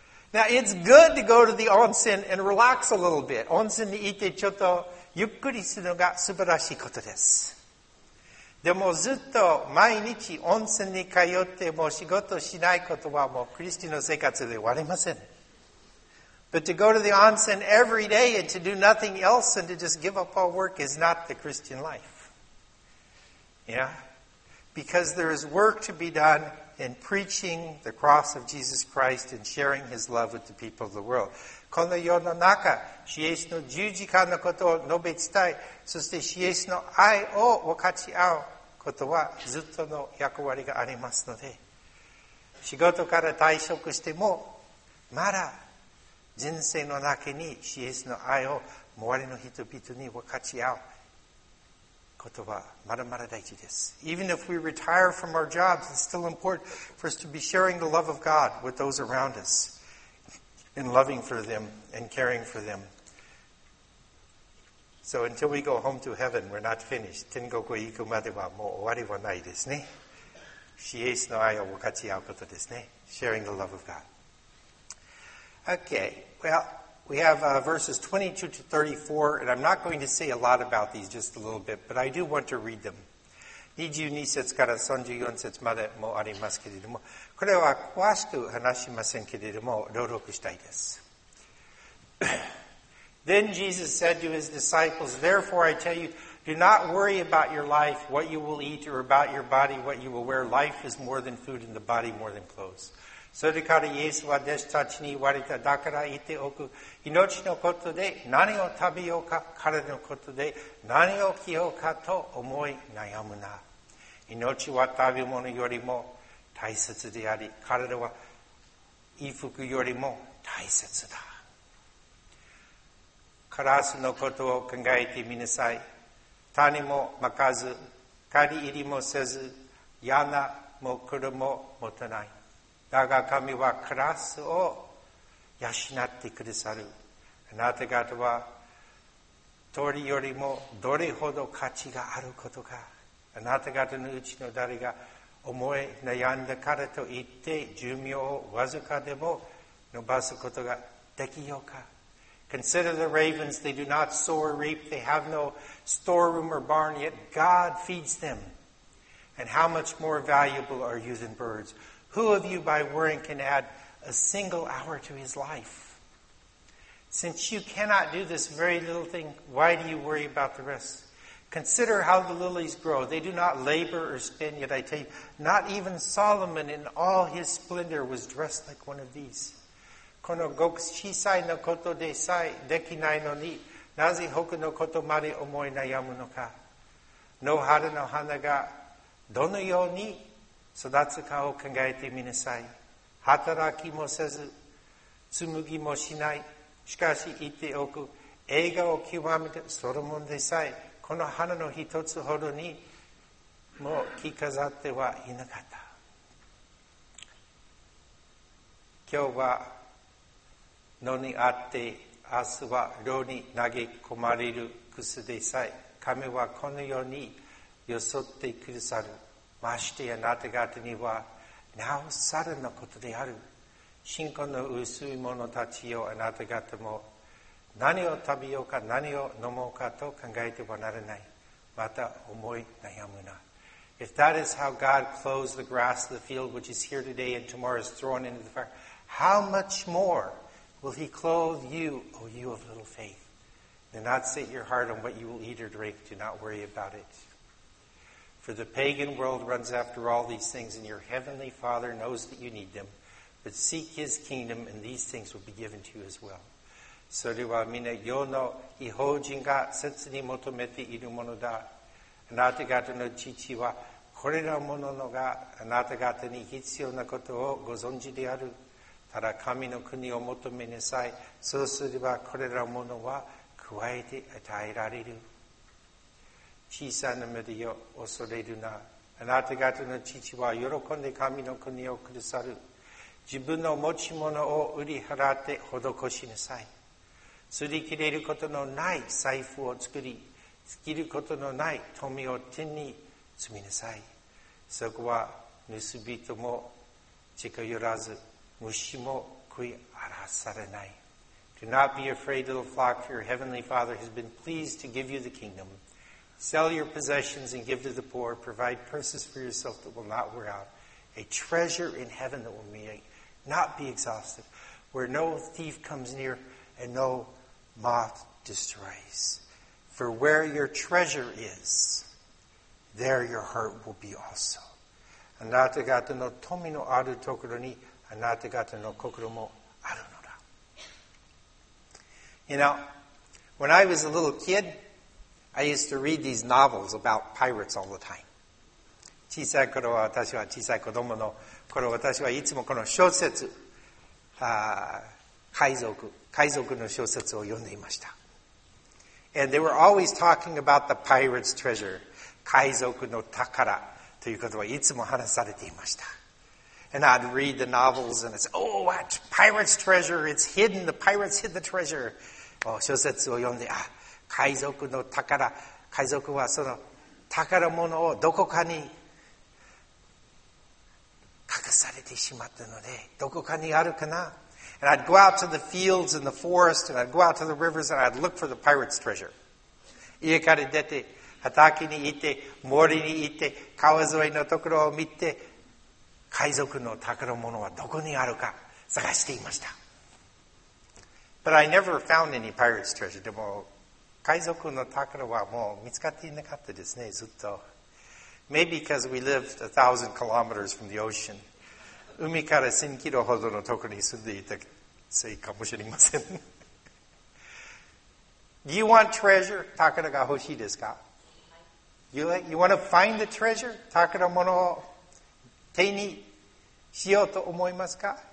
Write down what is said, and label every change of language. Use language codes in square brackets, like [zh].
[en] Now it's good to go to the onsen and relax a little bit. [ja] 温泉に行ってちょっとゆっくりするのが素晴らしいことです。でもずっと毎日温泉に通っても仕事しないことはもうクリスティの生活で終わりません。 [en] But to go to the onsen every day and to do nothing else and to just give up all work is not the Christian life. Yeah? Because there is work to be done in preaching the cross of Jesus Christ and sharing His love with the people of the world. [ja] この世の中、イエスの十字架のことを述べ伝え、そしてイエスの愛を分かち合うことはずっとの役割がありますので、仕事から退職しても、まだ人生の中にイエスの愛を周りの人々に分かち合うことはまだまだ大事です。 [en] Even if we retire from our jobs, it's still important for us to be sharing the love of God with those around us and loving for them and caring for them. So until we go home to heaven, we're not finished. [ja] 天国へ行くまではもう終わりはないですね。イエスの愛を分かち合うことですね。 [en] Sharing the love of God. Okay, well,We have verses 22 to 34, and I'm not going to say a lot about these, just a little bit, but I do want to read them. [ja] 22節から34節までもありますけれども、これは詳しく話しませんけれども、朗読したいです。 [en] Then Jesus said to his disciples, Therefore I tell you, do not worry about your life, what you will eat, or about your body, what you will wear. Life is more than food, and the body more than clothes. [ja] それからイエスは弟子たちに言われた。だから言っておく。命のことで何を食べようか、体のことで何を着ようかと思い悩むな。命は食べ物よりも大切であり、体は衣服よりも大切だ。カラスのことを考えてみなさい。種もまかず、刈り入りもせず、屋根も車も持たない。だが神はカラスを養ってくださる。あなた方は鳥よりもどれほど価値があることか。あなた方のうちの誰が思い悩んだからといって寿命をわずかでも伸ばすことができようか。 [en] Consider the ravens. They do not sow or reap. They have no storeroom or barn, yet God feeds them. And how much more valuable are you than birds? Who of you by worrying can add a single hour to his life? Since you cannot do this very little thing, why do you worry about the rest? Consider how the lilies grow. They do not labor or spin, yet I tell you, not even Solomon in all his splendor was dressed like one of these. [ja] この小さいのことでさえできないのに、なぜ他のことまで思い悩むのか。野原の花がどのように育つかを考えてみなさい。働きもせず、紡ぎもしない。しかし言っておく、栄華を極めてソロモンでさえ、この花の一つほどにも着飾ってはいなかった。今日は野にあって、明日は炉に投げ込まれるクスでさえ、神はこのようによそってくださる。ましてやなた方にはなおさらのことである。信仰の薄い者たちよ、あなた方も何を食べようか何を飲もうかと考えてはならない。また思い悩むな。 [en] If that is how God clothes the grass of the field which is here today and tomorrow is thrown into the fire, how much more will He clothe you, O you of little faith? Do not set your heart on what you will eat or drink. Do not worry about itFor the pagan world runs after all these things, and your heavenly Father knows that you need them. But seek His kingdom, and these things will be given to you as well. [ja] それはみな世の異邦人が切に求めているものだ。あなた方の父はこれらもののがあなた方に必要なことをご存知である。ただ神の国を求めなさい。そうすればこれらものは加えて与えられる。小さな目でよ、恐れるな。あなた方の父は喜んで神の国をくださる。自分の持ち物を売り払って施しなさい。擦り切れることのない財布を作り、尽きることのない富を手に積みなさい。そこは盗人も近寄らず、虫も食い荒らされない。 [en] Do not be afraid, little flock, for your heavenly Father has been pleased to give you the kingdom. Sell your possessions and give to the poor. Provide purses for yourself that will not wear out. A treasure in heaven that will not be exhausted, where no thief comes near and no moth destroys. For where your treasure is, there your heart will be also. [ja] あなた方の富のあるところに、あなた方の心もあるのだ。 [en] You know, when I was a little kid, I used to read these novels about pirates all the time. [ja] 小さい頃は私は小さい子供の頃私はいつもこの小説、海賊の小説を読んでいました。 [en] And they were always talking about the pirate's treasure, [ja] 海賊の宝。ということはいつも話されていました。 [en] And I'd read the novels and it's, oh, what? Pirate's treasure, it's hidden, the pirates hid the treasure. [ja] 小説を読んで、あ、海賊の宝、海賊はその宝物をどこかに隠されてしまったので、どこかにあるかな? [en] And I'd go out to the fields and the forest and I'd go out to the rivers and I'd look for the pirate's treasure. [ja] 家から出て、畑に行って、森に行って、川沿いのところを見て、海賊の宝物はどこにあるか探していました。 [en] But I never found any pirate's treasure. [ja] でも、海賊の宝はもう見つかっていなかったですね、ずっと。 [en] Maybe because we lived 1,000 kilometers from the ocean. [ja] 海から1000キロほどのところに住んでいたせいかもしれません。 [en] Do you want treasure? [ja] 宝が欲しいですか? [en] You want to find the treasure? [ja] 宝物を手にしようと思いますか?